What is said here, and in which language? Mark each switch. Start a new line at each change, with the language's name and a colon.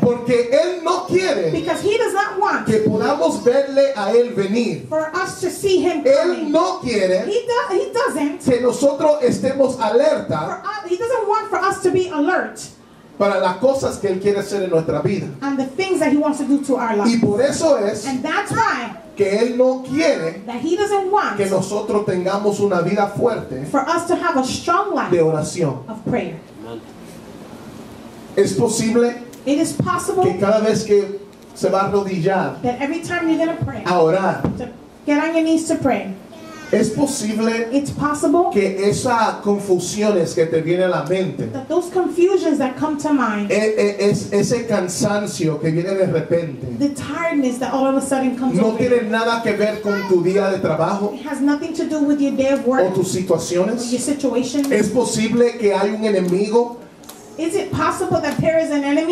Spanish: porque él no quiere,
English: because he does not want,
Spanish: que podamos verle a él venir,
English: for us to see him coming.
Spanish: Él no quiere,
English: He doesn't.
Spanish: Que nosotros estemos alerta.
English: He doesn't want for us to be alert.
Spanish: Para las cosas que él quiere hacer en nuestra vida.
English: And the things that he wants to do to our lives.
Spanish: Y por eso es.
English: And that's why.
Spanish: Que él no quiere.
English: That he doesn't want.
Spanish: Que nosotros tengamos una vida fuerte.
English: For us to have a strong life.
Spanish: De oración.
English: Of prayer.
Spanish: Es posible.
English: It is possible.
Spanish: Que cada vez que se va a arrodillar.
English: That every time you're going to pray.
Spanish: A orar.
English: To get on your knees to pray.
Spanish: Es posible,
English: it's possible,
Spanish: que esas confusiones que te vienen a la mente,
English: that those confusions that come to mind,
Spanish: ese cansancio que viene de repente,
English: the tiredness that all of a sudden comes,
Spanish: no tiene nada que ver con tu día de trabajo,
English: it has nothing to do with your day of work,
Spanish: o tus situaciones,
English: or your situation.
Spanish: Es posible que hay un enemigo,
English: is it possible that there is an enemy,